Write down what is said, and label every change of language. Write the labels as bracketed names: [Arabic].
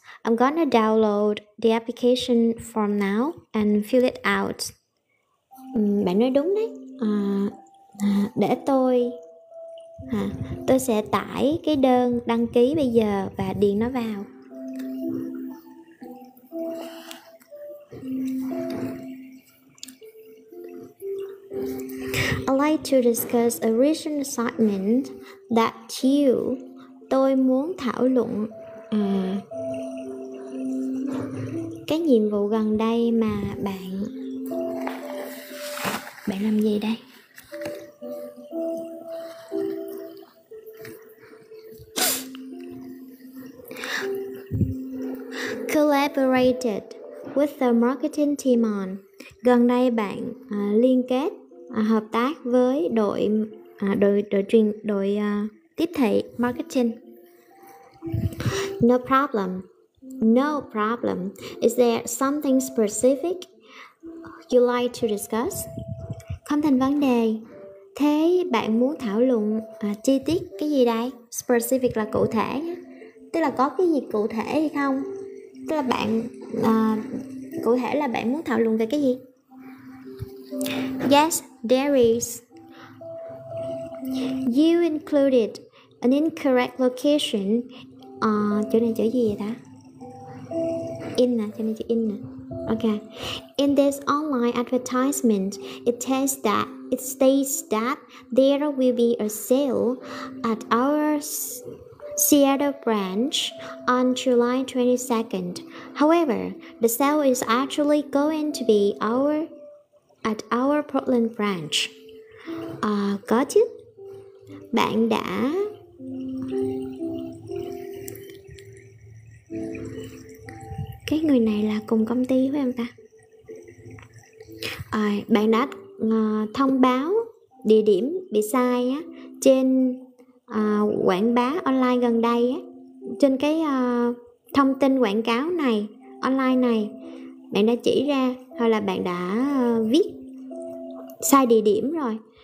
[English] I'm gonna download the application form now and fill it out. [Vietnamese] Bạn nói đúng đấy. Để tôi, tôi sẽ tải cái đơn đăng ký bây giờ và điền nó vào. [English] I'd like to discuss a recent assignment that you. [Vietnamese] Tôi muốn thảo luận cái nhiệm vụ gần đây mà bạn làm gì đây? [English] Collaborated with the marketing team on. [Vietnamese] Gần đây bạn liên kết hợp tác với đội tiếp thị marketing. [English] No problem. Is there something specific you like to discuss? [Vietnamese] Không thành vấn đề. Thế bạn muốn thảo luận chi tiết cái gì đây? Specific là cụ thể, tức là có cái gì cụ thể hay không? Tức là bạn cụ thể là bạn muốn thảo luận về cái gì? [English] Yes, there is. You included an incorrect location. [Vietnamese] Chỗ này chỗ gì vậy ta? In nè, cho nên chữ in nè. [English] Okay. In this online advertisement, it states that there will be a sale at our Seattle branch on July 22nd. However, the sale is actually going to be at our Portland branch. [Vietnamese] Có chứ. Bạn đã cái người này là cùng công ty với em ta. Bạn đã thông báo địa điểm bị sai á trên quảng bá online gần đây á, trên cái thông tin quảng cáo này online này bạn đã chỉ ra, hoặc là bạn đã viết sai địa điểm rồi.